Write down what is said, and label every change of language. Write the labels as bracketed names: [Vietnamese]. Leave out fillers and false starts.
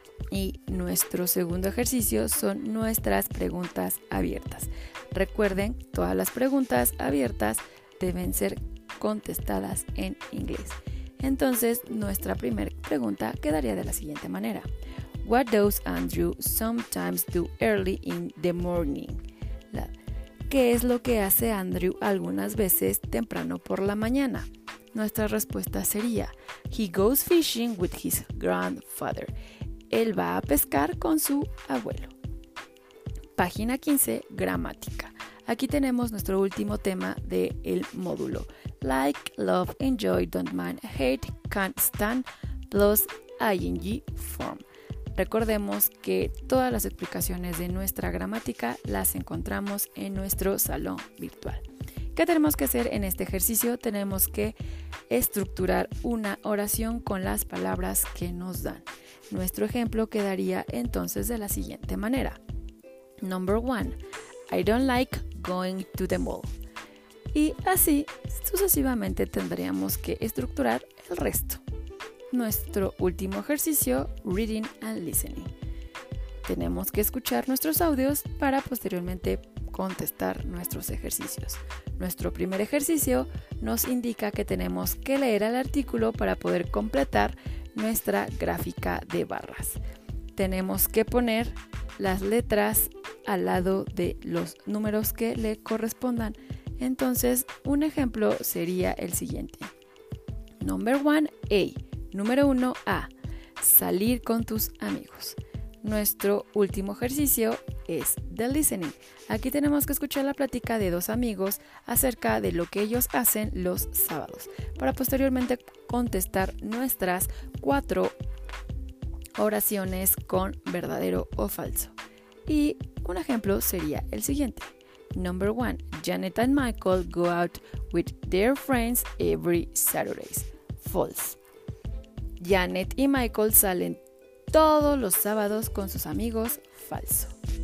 [Spanish] Y nuestro segundo ejercicio son nuestras preguntas abiertas. Recuerden, todas las preguntas abiertas deben ser contestadas en inglés. Entonces, nuestra primera pregunta quedaría de la siguiente manera. [English] What does Andrew sometimes do early in the morning? [Spanish] ¿Qué es lo que hace Andrew algunas veces temprano por la mañana? Nuestra respuesta sería, [English] he goes fishing with his grandfather. [Spanish] Él va a pescar con su abuelo. Página 15, gramática. Aquí tenemos nuestro último tema del módulo. [English] Like, love, enjoy, don't mind, hate, can't stand, plus ing form. [Spanish] Recordemos que todas las explicaciones de nuestra gramática las encontramos en nuestro salón virtual. ¿Qué tenemos que hacer en este ejercicio? Tenemos que estructurar una oración con las palabras que nos dan. Nuestro ejemplo quedaría entonces de la siguiente manera. [English] Number one, I don't like going to the mall. [Spanish] Y así sucesivamente tendríamos que estructurar el resto. Nuestro último ejercicio, Reading and Listening. Tenemos que escuchar nuestros audios para posteriormente contestar nuestros ejercicios. Nuestro primer ejercicio nos indica que tenemos que leer el artículo para poder completar nuestra gráfica de barras. Tenemos que poner las letras al lado de los números que le correspondan. Entonces, un ejemplo sería el siguiente. [English] Number 1, A. [Spanish] Número 1, A. Salir con tus amigos. Nuestro último ejercicio es The Listening. Aquí tenemos que escuchar la plática de dos amigos acerca de lo que ellos hacen los sábados para posteriormente contestar nuestras cuatro oraciones con verdadero o falso. Y un ejemplo sería el siguiente. [English] Number 1. Janet and Michael go out with their friends every Saturdays. False. [Spanish] Janet y Michael salen todos los sábados con sus amigos. Falso.